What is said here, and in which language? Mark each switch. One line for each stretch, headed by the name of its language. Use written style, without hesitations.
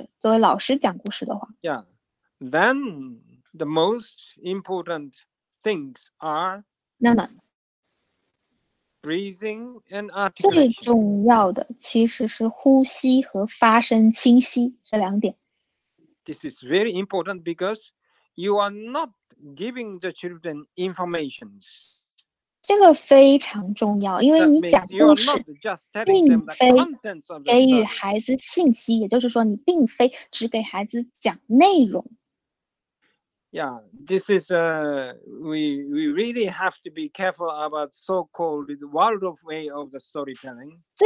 Chinese: 你是在这样正式的场合，就比如说在你的幼儿园去讲故事，作为老师讲故事的话，yeah,
English: then the most important things are
Chinese: 那么
English: breathing and articulation.
Chinese: 最重要的其实是呼吸和发声清晰这两点。
English: This is very important because you are not giving the children information.
Chinese: 这个非常重要，因为你讲故事，并非给予孩子信息，也就是说，你并非只给孩子讲内容。
English: Yeah, this is we really have to be careful about so-called the world of way of the storytelling.